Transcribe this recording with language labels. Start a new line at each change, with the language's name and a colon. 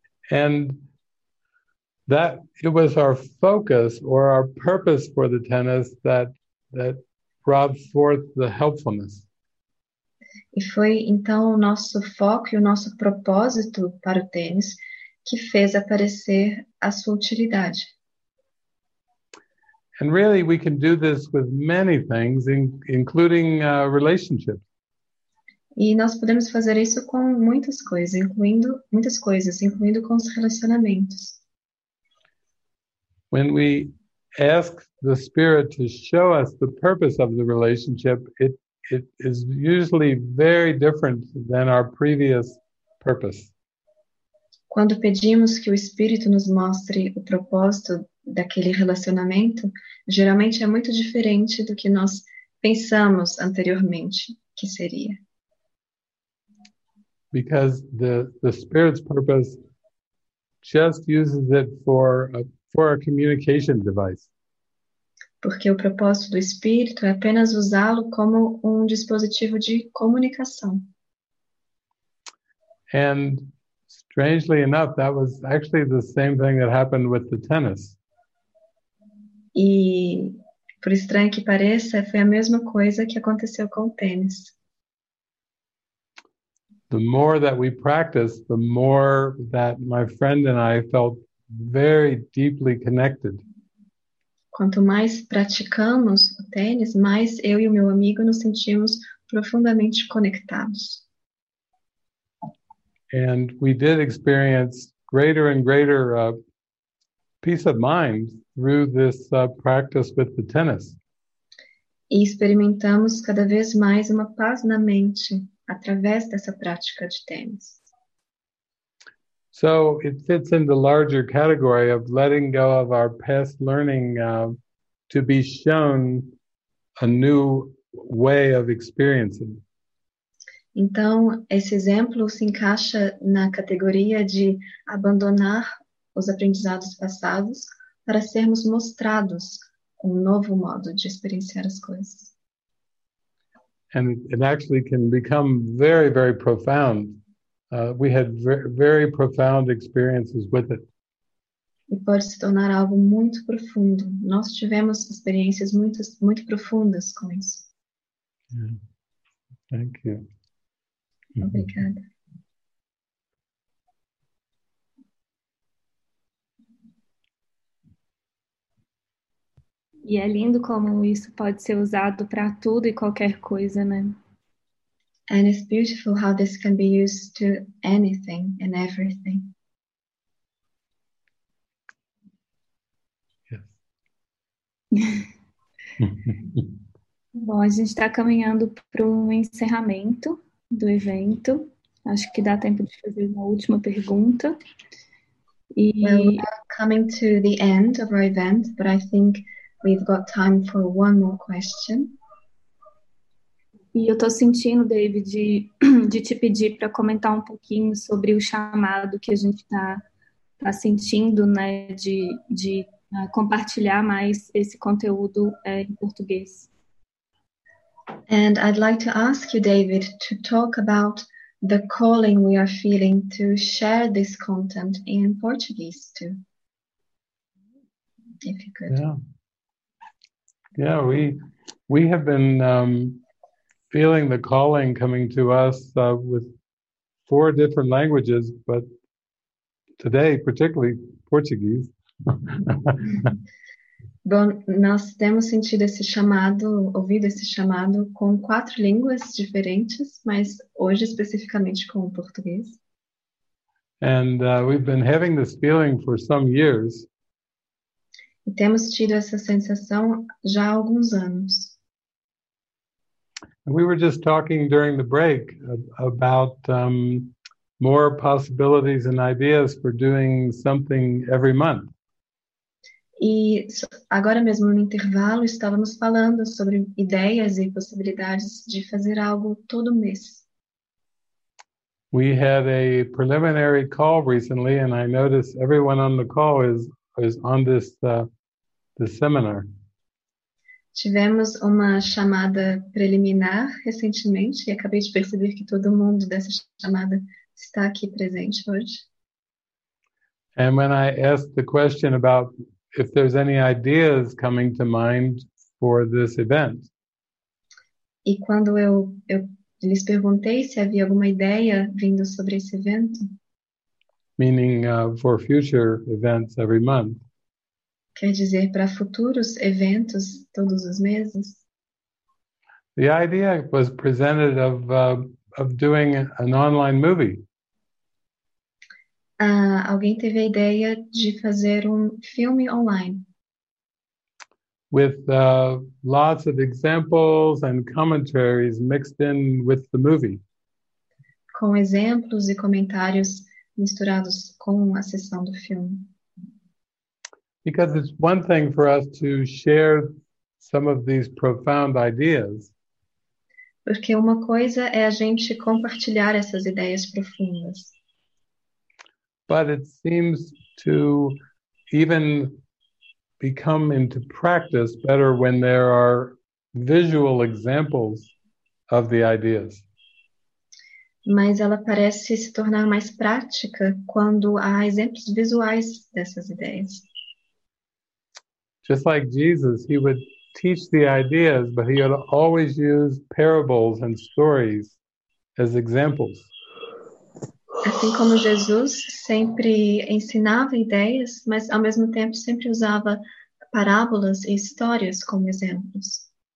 English: And that it was our focus or our purpose for the tennis that brought forth the helpfulness.
Portuguese: E foi então o nosso foco e o nosso propósito para o tênis que fez aparecer a sua utilidade.
English: And really we can do this with many things, including relationships.
Portuguese: E nós podemos fazer isso com muitas coisas, incluindo com os relacionamentos.
English: When we ask the spirit to show us the purpose of the relationship, it is usually very different than our previous purpose.
Portuguese: Quando pedimos que o espírito nos mostre o propósito daquele relacionamento, geralmente é muito diferente do que nós pensamos anteriormente que seria.
English: Because the spirit's purpose just uses it for a communication device.
Portuguese: Porque o propósito do espírito é apenas usá-lo como dispositivo de comunicação.
English: And strangely enough, that was actually the same thing that happened with the tennis.
Portuguese: E por estranho que pareça, foi a mesma coisa que aconteceu com o tênis.
English: The more that we practiced, the more that my friend and I felt very deeply connected.
Portuguese: Quanto mais praticamos o tênis, mais eu e o meu amigo nos sentimos profundamente conectados.
English: And we did experience greater and greater peace of mind through this practice with the tennis.
Portuguese: E experimentamos cada vez mais uma paz na mente através dessa prática de tênis.
English: So it fits in the larger category of letting go of our past learning to be shown a new way of experiencing.
Portuguese: Então, esse exemplo se encaixa na categoria de abandonar os aprendizados passados para sermos mostrados um novo modo de experienciar as coisas.
English: And it actually can become very, very profound. We had very, very profound experiences with it.
Portuguese: E pode se tornar algo muito profundo. Nós tivemos experiências muito, muito profundas com isso.
English: Yeah. Thank you.
Portuguese: Obrigada. E é lindo como isso pode ser usado para tudo e qualquer coisa, né?
English: And it's beautiful how this can be used to anything and everything. Yes.
Portuguese: Bom, a gente está caminhando para um encerramento do evento. Acho que dá tempo de fazer uma última pergunta. E...
English: Well, we are coming to the end of our event, but I think we've got time for one more question.
Portuguese: E eu estou sentindo, David, de te pedir para comentar um pouquinho sobre o chamado que a gente tá sentindo, né, de compartilhar mais esse conteúdo em português.
English: And I'd like to ask you, David, to talk about the calling we are feeling to share this content in Portuguese too. If you could. Yeah, we have been feeling the calling coming to us with four different languages, but today, particularly Portuguese.
Portuguese: Bom, nós temos sentido esse chamado, ouvido esse chamado com quatro línguas diferentes, mas hoje especificamente com o português.
English: And we've been having this feeling for some years.
Portuguese: E temos tido essa sensação já há alguns anos.
English: We were just talking during the break about more possibilities and ideas for doing something every month.
Portuguese: E agora mesmo no intervalo estávamos falando sobre ideias e possibilidades de fazer algo todo mês.
English: We had a preliminary call recently, and I noticed everyone on the call is on this the seminar.
Portuguese: Tivemos uma chamada preliminar recentemente e acabei de perceber que todo mundo dessa chamada está aqui presente hoje.
English: And when I asked the question about if there's any ideas coming to mind for this event.
Portuguese: E quando eu lhes perguntei se havia alguma ideia vindo sobre esse evento.
English: Meaning for future events every month.
Portuguese: Quer dizer, para futuros eventos todos os meses?
English: The idea was presented of doing an online movie.
Portuguese: Alguém teve a ideia de fazer um filme online.
English: With lots of examples and commentaries mixed in with the movie.
Portuguese: Com exemplos e comentários misturados com a sessão do filme.
English: Because it's one thing for us to share some of these profound ideas.
Portuguese: Porque uma coisa é a gente compartilhar essas ideias profundas.
English: But it seems to even become into practice better when there are visual examples of the ideas.
Portuguese: Mas ela parece se tornar mais prática quando há exemplos visuais dessas ideias.
English: Just like Jesus, he would teach the ideas, but he would always use parables and stories as examples.
Portuguese: Assim como Jesus sempre ensinava ideias, mas ao mesmo tempo sempre usava parábolas e histórias como exemplos.